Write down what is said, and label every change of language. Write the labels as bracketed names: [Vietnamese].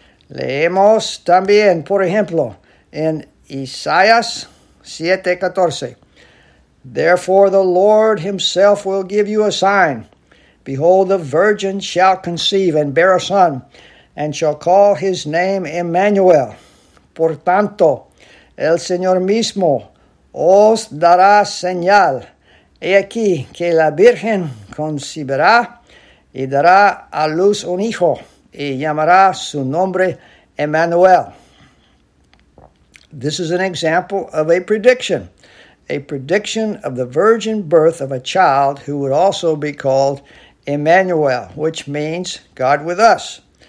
[Spanish] Leemos también, por ejemplo, en Isaías 7:14. [English] Therefore, the Lord himself will give you a sign. Behold, the virgin shall conceive and bear a son, and shall call his name Emmanuel. [Spanish] Por tanto, el Señor mismo os dará señal. He aquí que la Virgen concibirá y dará a luz un hijo, y llamará su nombre Emmanuel. [English] This is an example of a prediction of the virgin birth of a child who would also be called Emmanuel, which means God with us.